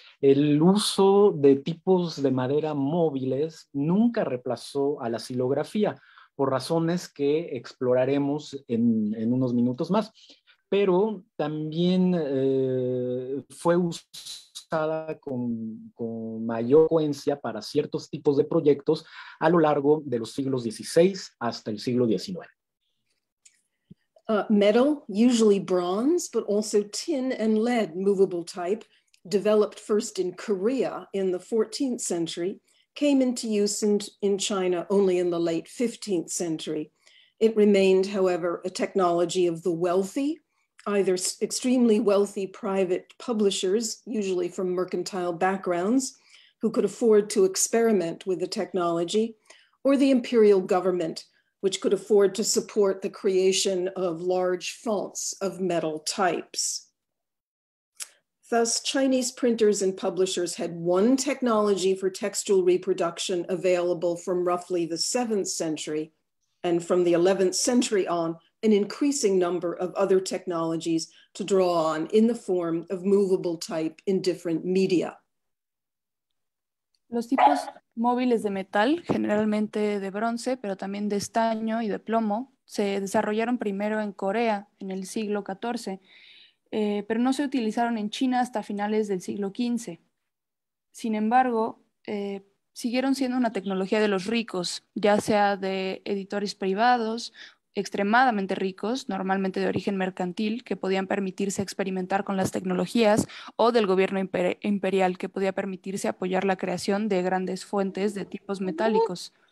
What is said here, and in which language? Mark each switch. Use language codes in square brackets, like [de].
[es] El uso de tipos de madera móviles nunca reemplazó a la xilografía, por razones que exploraremos en unos minutos más, pero también fue usada con mayor frecuencia para ciertos tipos de proyectos a lo largo de los siglos XVI hasta el siglo XIX. [en] Metal, usually bronze, but also tin and lead movable type, developed first in Korea in the 14th century, came into use in China only in the late 15th century. It remained, however, a technology of the wealthy, either extremely wealthy private publishers, usually from mercantile backgrounds, who could afford to experiment with the technology, or the imperial government, which could afford to support the creation of large fonts of metal types. Thus, Chinese printers and publishers had one technology for textual reproduction available from roughly the 7th century, and from the 11th century on, an increasing number of other technologies to draw on in the form of movable type in different media. [es] Los tipos móviles de metal, generalmente de bronce, pero también de estaño y de plomo, se desarrollaron primero en Corea en el siglo XIV, pero no se utilizaron en China hasta finales del siglo XV. Sin embargo, siguieron siendo una tecnología de los ricos, ya sea de editores privados, extremadamente ricos, normalmente de origen mercantil, que podían permitirse experimentar con las tecnologías, o del gobierno imperial, que podía permitirse apoyar la creación de grandes fuentes de tipos metálicos.